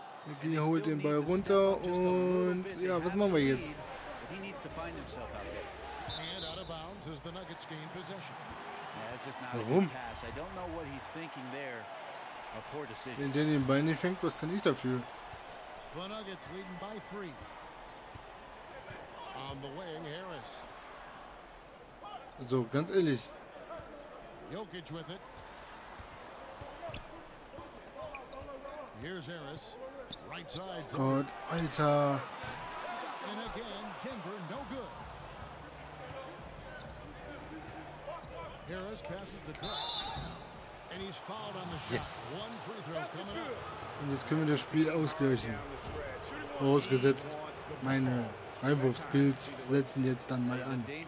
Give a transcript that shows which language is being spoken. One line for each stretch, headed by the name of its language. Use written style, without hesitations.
German: McGee holt den Ball runter und ja, was machen wir jetzt?
English: He needs to find himself out there. And out of bounds as the Nuggets gain possession.
German: Warum?
English: I don't know what he's thinking there. A poor decision.
German: Wenn der den Ball nicht fängt, was kann ich dafür?
English: The Nuggets leading by 3. On the wing, Harris.
German: So, ganz ehrlich.
English: Jokic with it. Here's Harris. Right side.
German: Gott, Alter.
English: And again, Denver, no good. Harris passes the cut. And he's fouled on the shot. Yes. One free throw coming up.
German: Und jetzt können wir das Spiel ausgleichen. Vorausgesetzt, meine Freiwurfskills setzen jetzt dann mal an.